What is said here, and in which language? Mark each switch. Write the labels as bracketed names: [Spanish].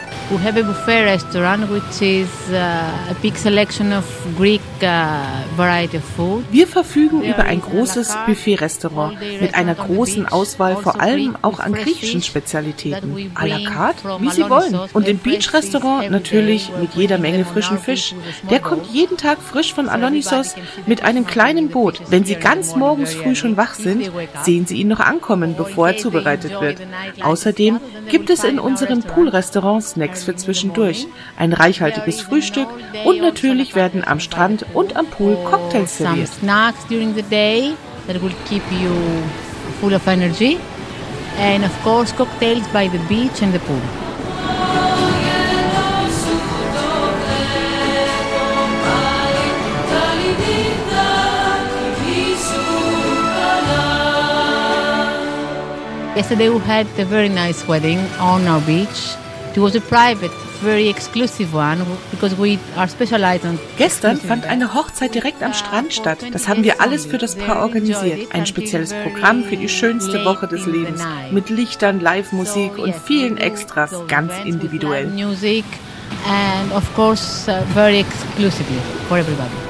[English] We have a buffet restaurant, which is a big selection of Greek variety of food. [German] Wir verfügen über ein großes Buffet-Restaurant mit einer großen Auswahl, vor allem auch an griechischen Spezialitäten. A la carte, wie Sie wollen. Und im Beach-Restaurant natürlich mit jeder Menge frischen Fisch. Der kommt jeden Tag frisch von Alonissos mit einem kleinen Boot. Wenn Sie ganz morgens früh schon wach sind, sehen Sie ihn noch ankommen, bevor er zubereitet wird. Außerdem gibt es in unserem Pool-Restaurant Snacks für zwischendurch, ein reichhaltiges Frühstück und natürlich werden am Strand und am Pool Cocktails serviert. [English] Some snacks during the day that will keep you full of energy and of course cocktails by the beach and the pool. Yesterday we had a very nice wedding on our beach. It was a private, very exclusive one, because we are specialized on... [German] Gestern fand eine Hochzeit direkt am Strand statt. Das haben wir alles für das Paar organisiert. Ein spezielles Programm für die schönste Woche des Lebens. Mit Lichtern, Live-Musik und vielen Extras, ganz individuell. [English] And of course, very exclusively for everybody.